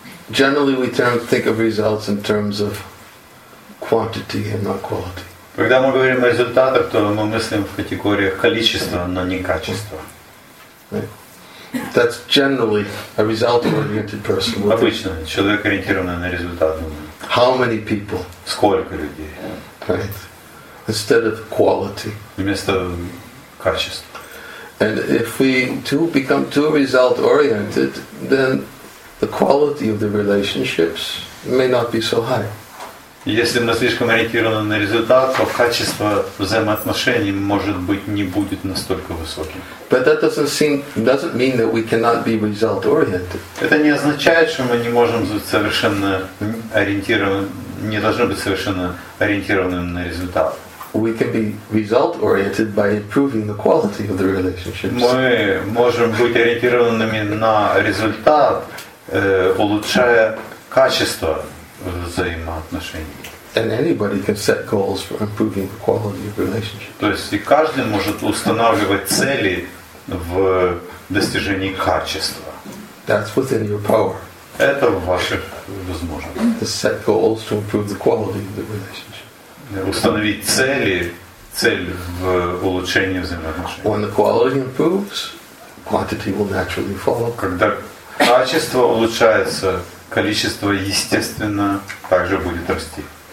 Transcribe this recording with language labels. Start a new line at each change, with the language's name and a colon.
English: Generally we think of results in terms of quantity and not quality.
Russian: Когда мы говорим о результатах, то мы мыслим в категориях количества, но не качества.
English: That's generally a result-oriented person.
Russian: Обычно человек ориентированный на результат.
English: How many people?
Russian: Сколько людей?
English: Right. Instead of quality.
Russian: Вместо качества.
English: And if we too become too result-oriented, then the quality of the relationships may not be so high.
Russian: Если мы слишком ориентированы на результат, то качество взаимоотношений может быть не будет настолько высоким.
English: But that doesn't mean that we cannot be result oriented.
Russian: Это не означает, что мы не можем быть совершенно ориентированы, не должны быть совершенно ориентированы на результат.
English: We can be result oriented by improving the quality of the relationships.
Russian: Мы можем быть ориентированными на результат, улучшая качество взаимоотношений.
English: And anybody can set goals for improving the quality of relationship.
Russian: То есть и каждый может устанавливать цели в достижении качества.
English: That's within your power.
Russian: Это в ваших возможностях.
English: To set goals to improve the quality of the relationship.
Russian: Установить цель в улучшении взаимоотношений.
English: When the quality improves, quantity will naturally follow.
Russian: Когда качество улучшается, количество, естественно, также будет расти.